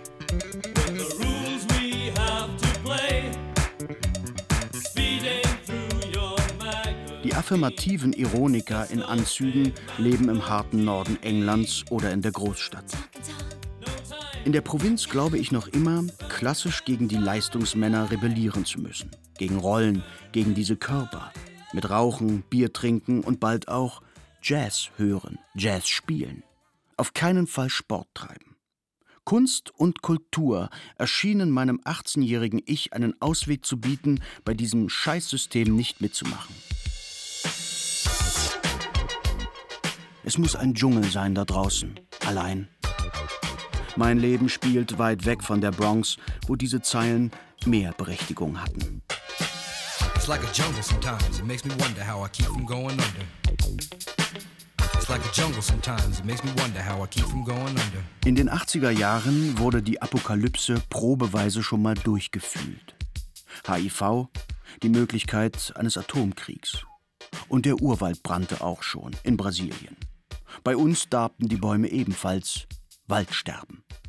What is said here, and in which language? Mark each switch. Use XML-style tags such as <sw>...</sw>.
<en>With the rules we have to play. Speeding through your magazine.</en> <de>Die affirmativen Ironiker in Anzügen leben im harten Norden Englands oder in der Großstadt. In der Provinz glaube ich noch immer, klassisch gegen die Leistungsmänner rebellieren zu müssen. Gegen Rollen, gegen diese Körper. Mit Rauchen, Bier trinken und bald auch Jazz hören, Jazz spielen. Auf keinen Fall Sport treiben. Kunst und Kultur erschienen meinem 18-jährigen Ich einen Ausweg zu bieten, bei diesem Scheißsystem nicht mitzumachen. Es muss ein Dschungel sein da draußen, allein. Mein Leben spielt weit weg von der Bronx, wo diese Zeilen mehr Berechtigung hatten.</de> <en>It's like a jungle sometimes, it makes me wonder how I keep from going under. It's like a jungle sometimes, it makes me wonder how I keep from going under.</en> <de>In den 80er Jahren wurde die Apokalypse probeweise schon mal durchgefühlt. HIV, die Möglichkeit eines Atomkriegs. Und der Urwald brannte auch schon in Brasilien. Bei uns darbten die Bäume ebenfalls. Waldsterben.</de>